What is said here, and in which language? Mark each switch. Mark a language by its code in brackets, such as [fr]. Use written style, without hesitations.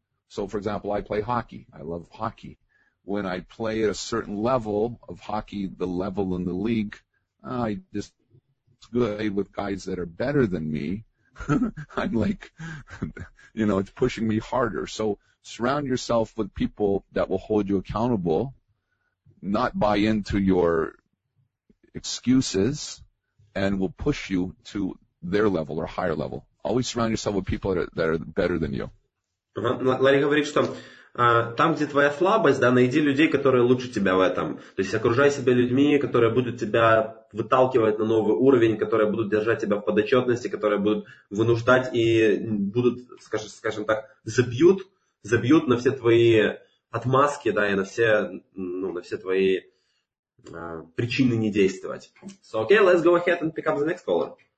[en] So, for example, I play hockey. I love hockey. When I play at a certain level of hockey, the level in the league, I just good with guys that are better than me, I'm like, you know, it's pushing me harder. So surround yourself with people that will hold you accountable, not buy into your excuses, and will push you to their level or higher level. Always surround yourself with people that are better than you. [ru] Ларри говорит, что там, где твоя слабость, да, найди людей, которые лучше тебя в этом. То есть окружай себя людьми, которые будут тебя выталкивать на новый уровень, которые будут держать тебя в подотчетности, которые будут вынуждать и будут, скажем так, забьют на все твои отмазки, да, и на все, ну, на все твои причины не действовать. [en] So, okay, let's go ahead and pick up the next caller.